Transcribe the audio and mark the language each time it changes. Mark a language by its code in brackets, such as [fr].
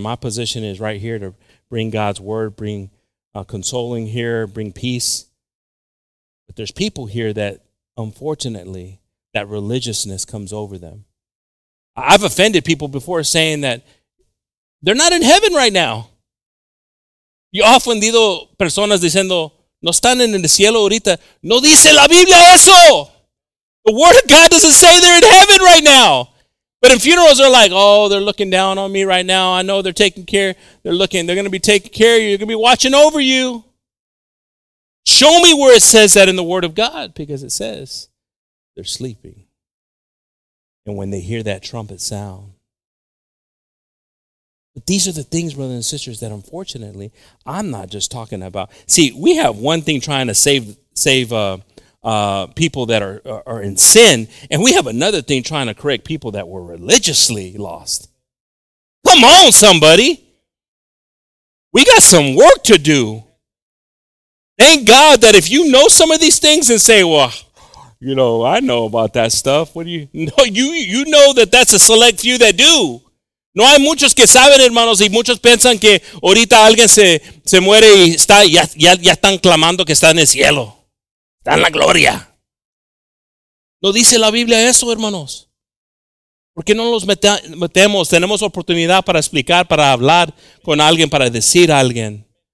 [en] My position is right here to bring God's word, bring consoling here, bring peace. But there's people here that, unfortunately, that religiousness comes over them. I've offended people before saying that they're not in heaven right now. [es] Yo he ofendido personas diciendo, no están en el cielo ahorita. No dice la Biblia eso. [en] The word of God doesn't say they're in heaven right now. But in funerals, they're like, oh, they're looking down on me right now. I know they're taking care. They're looking. They're going to be taking care of you. They're going to be watching over you. Show me where it says that in the word of God, because it says they're sleeping. And when they hear that trumpet sound, but these are the things, brothers and sisters, that unfortunately, I'm not just talking about. See, we have one thing trying to save people that are in sin, and we have another thing trying to correct people that were religiously lost. Come on, somebody. We got some work to do. Thank God that if you know some of these things and say, well, you know, I know about that stuff. What do you know? You know that that's a select few that do. [es] No hay muchos que saben, hermanos, y muchos piensan que ahorita alguien se muere y está ya están clamando que está en el cielo. Está en la gloria. No dice la Biblia eso, hermanos. ¿Por qué no los metemos? Tenemos oportunidad para explicar, para hablar con alguien, para decir a alguien.